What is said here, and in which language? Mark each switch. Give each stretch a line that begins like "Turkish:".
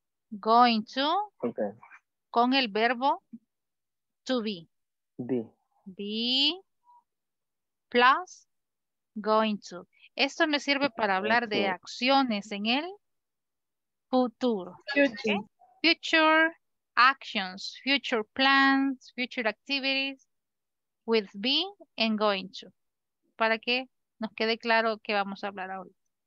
English: Going to. Okay.
Spanish: Con el verbo to be.
English: Be. Be plus going to.
Spanish: Esto me sirve para hablar de acciones en el futuro.
English: Future. Okay. Future actions, future plans, future activities with be and going to.
Spanish: Para que nos quede claro qué vamos a hablar ahorita.